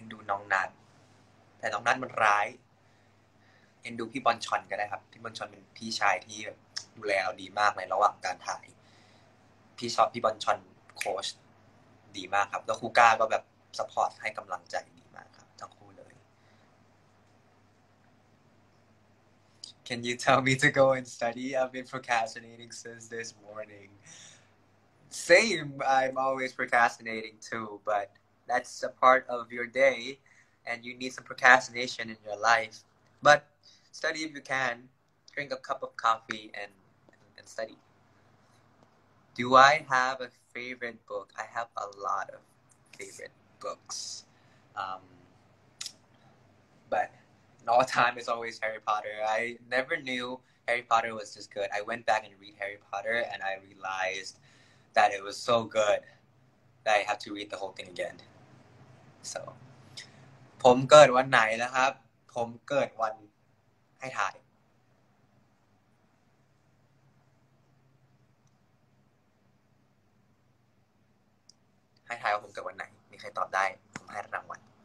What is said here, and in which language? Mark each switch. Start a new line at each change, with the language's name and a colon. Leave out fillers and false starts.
Thai: น้องนัทแต่น้องนัทมันร้ายเอ็นดูพี่บอลชอนก็ได้ครับพี่บอลชอนเป็นพี่ชายที่ดูแลเราดีมากในระหว่างการถ่ายพี่ชอบพี่บอลชอนโค้ชดีมากครับแล้วคูก้าก็แบบซัพพอร์ตให้กำลังใจดีมากครับทั้งคู่เลย
English: Can you tell me to go and study? I've been procrastinating since this morning. Same, I'm always procrastinating too, but that's a part of your day and you need some procrastination in your life. But study if you can. Drink a cup of coffee and study. Do I have aFavorite book? I have a lot of favorite books. But all time is always Harry Potter. I never knew Harry Potter was this good. I went back and read Harry Potter and I realized that it was so good that I have to read the whole thing again.
Thai: So, ผมเกิดวันไหนนะครับ ผมเกิดวันให้ถ่ายให้ทายว่าผมเกิดวันไหนมีใครตอบได้ผมให้รางวัล